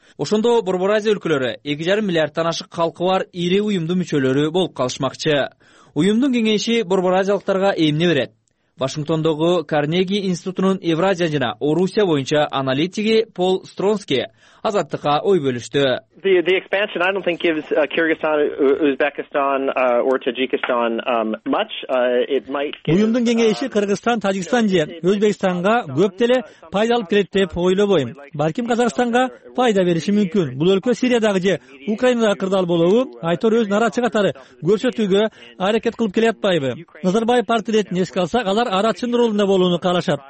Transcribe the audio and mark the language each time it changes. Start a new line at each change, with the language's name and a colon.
Kyrgyz: Ошондо Борбор Азия өлкөлөрү 2,5 миллиарддан ашык калкы бар ири уюмдун мүчөлөрү болуп калышмакчы. Уюмдун кеңеши Борбор Азиялыктарга эмне берет? Вашингтондогу Карнеги институтунун Евразия жана Орусия боюнча аналитиги Пол Стронски азаттыкка ой бөлүштү.
English: The expansion I don't think gives Kyrgyzstan, Uzbekistan or Tajikistan much. It might give
Kyrgyz: Уюмдун кеңейиши Кыргызстан, Тажикстан же Өзбекстанга көп деле пайда алып келет деп ойлобойм. Балким Казакстанга пайда бериши мүмкүн. Бул өлкө Сириядагы же Украинадагы кырдаал болобу, айтор өз нарачы катары көрсөтүүгө аракет кылып келе жатпайбы? Назарбаев партиясын эске алсак, алар аратчынын ролунда болууну каалашат.